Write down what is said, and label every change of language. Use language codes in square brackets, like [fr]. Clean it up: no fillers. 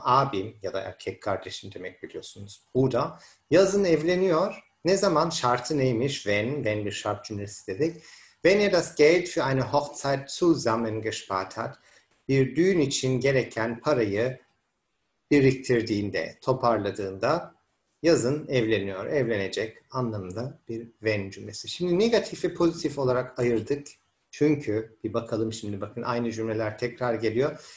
[tr] Abim ya da erkek kardeşim demek biliyorsunuz. Bruder. Yazın evleniyor. Ne zaman? Şartı neymiş? When. When bir şart cümlesi dedik. [de] Wenn er das Geld für eine Hochzeit zusammengespart hat. [tr] Bir düğün için gereken parayı biriktirdiğinde, toparladığında yazın evleniyor, evlenecek anlamında bir when cümlesi. Şimdi negatif ve pozitif olarak ayırdık. Çünkü bir bakalım şimdi bakın aynı cümleler tekrar geliyor.